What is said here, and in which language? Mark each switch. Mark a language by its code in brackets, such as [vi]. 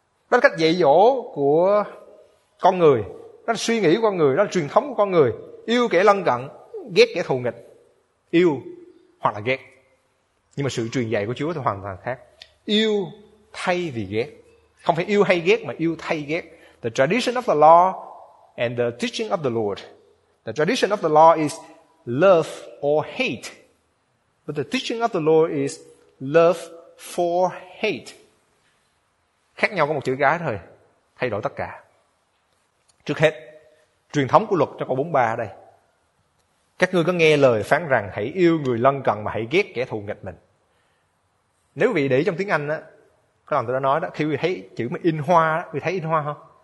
[vi] Đó là cách dạy dỗ của con người. Đó là suy nghĩ của con người. Đó là truyền thống của con người. Yêu kẻ lân cận, ghét kẻ thù nghịch. Yêu hoặc là ghét. Nhưng mà sự truyền dạy của Chúa thì hoàn toàn khác. Yêu thay vì ghét. Không phải yêu hay ghét mà yêu thay ghét. [en] The tradition of the law and the teaching of the Lord. The tradition of the law is love or hate. But the teaching of the Lord is love for hate. [vi] Khác nhau có một chữ cái thôi, thay đổi tất cả. Trước hết, truyền thống của luật cho câu 43 ở đây. Các ngươi có nghe lời phán rằng hãy yêu người lân cận mà hãy ghét kẻ thù nghịch mình. Nếu vị để ý trong tiếng Anh á, có lần tôi đã nói đó, khi vị thấy chữ mà in hoa, vị thấy in hoa không?